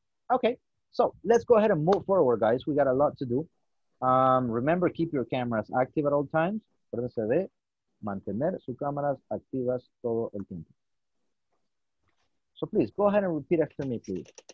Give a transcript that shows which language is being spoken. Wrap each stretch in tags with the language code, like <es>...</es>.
<en>Okay, so let's go ahead and move forward, guys. We got a lot to do. Remember, keep your cameras active at all times.</en> <es>Acuérdense de mantener sus cámaras activas todo el tiempo.</es> <en>So please, go ahead and repeat after me, please.</en>